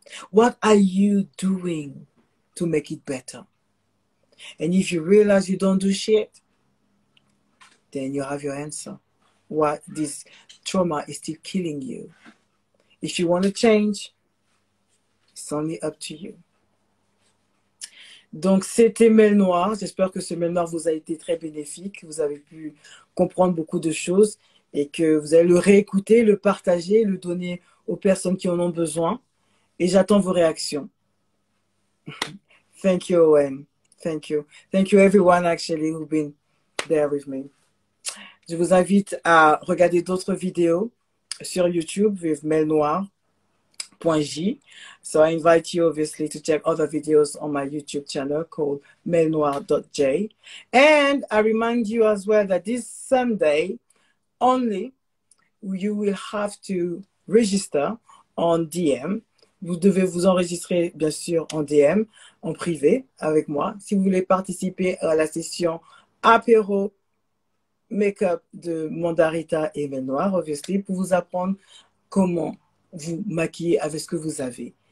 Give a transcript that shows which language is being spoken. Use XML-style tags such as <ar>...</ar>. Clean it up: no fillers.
<en>What are you doing to make it better? And if you realize you don't do shit, then you have your answer. What this trauma is still killing you. If you want to change, it's only up to you.</en> <fr>Donc, c'était Mail Noir. J'espère que ce Mail Noir vous a été très bénéfique. Vous avez pu comprendre beaucoup de choses et que vous allez le réécouter, le partager, le donner aux personnes qui en ont besoin. Et j'attends vos réactions.</fr> <en>Thank you, Owen. Thank you. Thank you, everyone, actually, who've been there with me.</en> <fr>Je vous invite à regarder d'autres vidéos sur YouTube</fr> <en>with</en> <fr>Mail Noir. J.</fr> <en>So I invite you obviously to check other videos on my YouTube channel called mailnoir.j. And I remind you as well that this Sunday only you will have to register on DM.</en> <fr>Vous devez vous enregistrer bien sûr en DM, en privé avec moi. Si vous voulez participer à la session apéro make-up de Mandarita et Mail Noir,</fr> <en>obviously,</en> <fr>pour vous apprendre comment vous maquillez avec ce que vous avez.</fr>